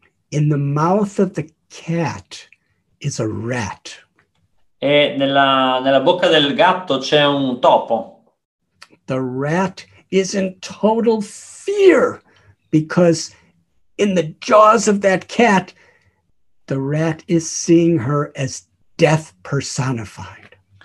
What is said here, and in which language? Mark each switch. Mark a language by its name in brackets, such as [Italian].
[English] In the mouth of the cat is a rat. [Italian] E nella bocca del gatto c'è un topo. [English] The rat is in total fear because in the jaws of that cat, the rat is seeing her as death personified.